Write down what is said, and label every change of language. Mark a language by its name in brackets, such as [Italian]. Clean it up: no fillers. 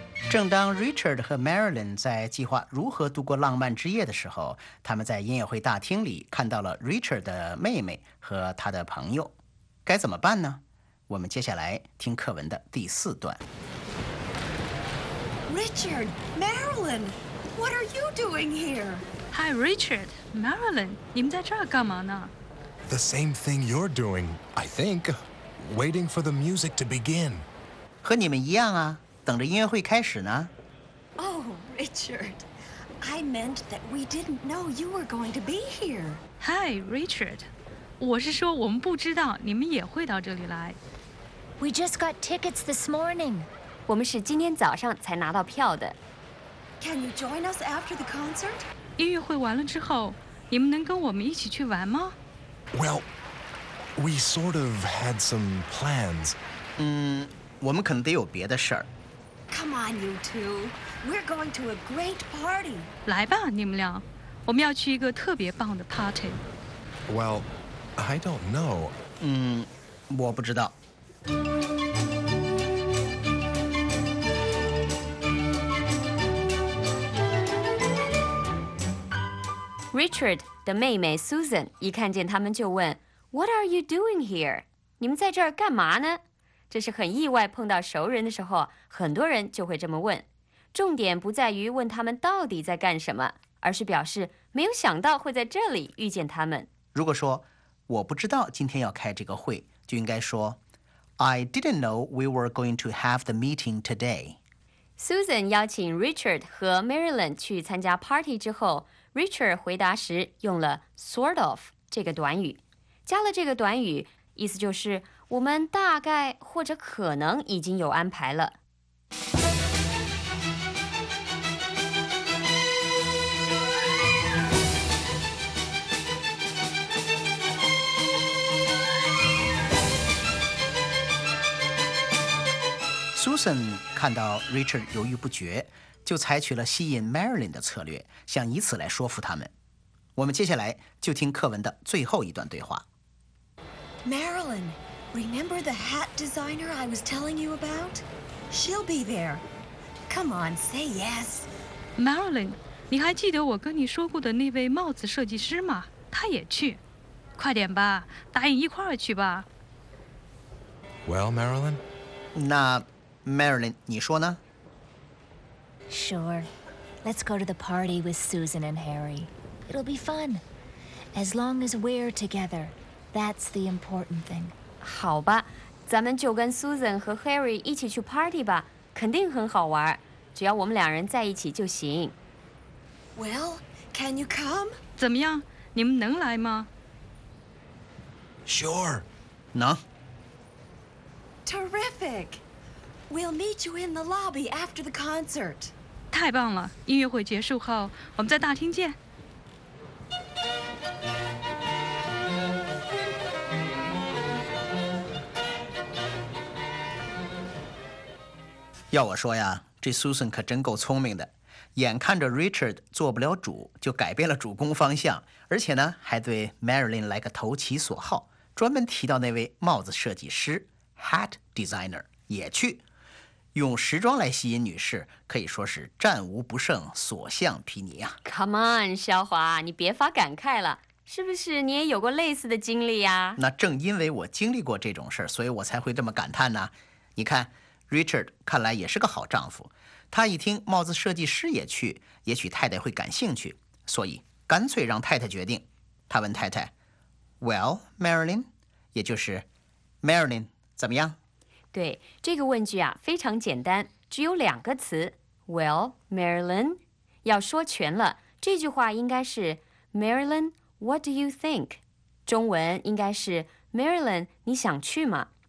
[Chinese] 正当 Richard 和 Marilyn 在计划如何度过浪漫之夜的时候，他们在音乐会大厅里看到了 Richard 的妹妹和他的朋友。该怎么办呢？我们接下来听课文的第四段。 [English] Richard, Marilyn, what are you doing here? Hi, [Chinese] Richard, Marilyn, 你们在这儿干嘛呢？ [English] The same thing you're doing, I think. Waiting for the music to begin. [Chinese] 和你们一样啊，等着音乐会开始呢。 [English] Oh, Richard, I meant that we didn't know you were going to be here. Hi, Richard. [Chinese] 我是说我们不知道你们也会到这里来。 [English] We just got tickets this morning. [Chinese] 我们是今天早上才拿到票的。 [English] Can you join us after the concert? [Chinese] 音乐会完了之后，你们能跟我们一起去玩吗？ [English] Well, we sort of had some plans. [Chinese] 我们可能得有别的事儿。 [English] Come on, you two. We're going to a great party. [Chinese] 来吧，你们俩，我们要去一个特别棒的 party. [English] Well,I don't know. [Chinese] 我不知道。 Richard 的妹妹 Susan 一看见他们就问 [English] What are you doing here? [Chinese] 你们在这儿干嘛呢？这是很意外碰到熟人的时候，很多人就会这么问。重点不在于问他们到底在干什么，而是表示没有想到会在这里遇见他们。如果说我不知道今天要开这个会，就应该说 [English] I didn't know we were going to have the meeting today. [Chinese] Susan 邀请 Richard 和 Marilyn 去参加 party 之后， Richard 回答时用了 [English] sort of [Chinese] 这个短语，加了这个短语， 意思就是我们大概或者可能已经有安排了。Susan 看到 Richard 犹豫不决，就采取了吸引 Marilyn 的策略，想以此来说服他们。我们接下来就听课文的最后一段对话。 [English] Marilyn, remember the hat designer I was telling you about? She'll be there. Come on, say yes. [Chinese] Marilyn, 你还记得我跟你说过的那位帽子设计师吗? 她也去。快点吧，答应一块儿去吧。 [English] Well, Marilyn? [Chinese] 那 Marilyn, 你说呢? [English] Sure. Let's go to the party with Susan and Harry. It'll be fun. As long as we're together. That's the important thing. [Chinese] 好吧，咱们就跟 Susan 和 Harry 一起去 party 吧，肯定很好玩，只要我们两人在一起就行。 [English] Well, can you come? [Chinese] 怎么样，你们能来吗？ [English] Sure. [Chinese] 能。 [English] Terrific. We'll meet you in the lobby after the concert. [Chinese] 太棒了，音乐会结束后，我们在大厅见。要我说呀，这Susan可真够聪明的，眼看着 Richard 做不了主，就改变了主攻方向，而且呢，还对 Marilyn 来个投其所好，专门提到那位帽子设计师 [English] hat designer [Chinese] 也去，用时装来吸引女士，可以说是战无不胜，所向披靡啊。 [English] Come on， [Chinese] 肖华，你别发感慨了，是不是你也有过类似的经历呀？那正因为我经历过这种事儿，所以我才会这么感叹呢。你看。 Richard 看来也是个好丈夫，他一听帽子设计师也去，也许太太会感兴趣，所以干脆让太太决定。他问太太 ， [English] Well, [Chinese] Marilyn， 也就是 Marilyn， 怎么样？对，这个问句啊非常简单，只有两个词， [English] Well, [Chinese] Marilyn， 要说全了，这句话应该是 Marilyn, [English] what do you think？ [Chinese] 中文应该是 Marilyn， 你想去吗？